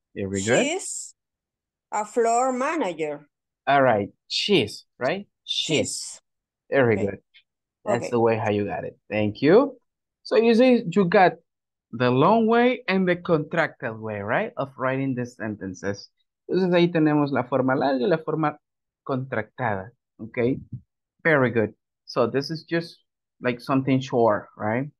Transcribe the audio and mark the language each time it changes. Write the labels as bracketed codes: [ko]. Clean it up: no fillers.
[en] Here we go. She's a floor manager. All right. She's, right? She's. Very okay. Good. That's okay. The way how you got it. Thank you. So you see, you got the long way and the contracted way, right? Of writing the sentences. [es] Entonces ahí tenemos la forma larga y la forma contractada. [en] Okay? Very good. So this is just like something short, right?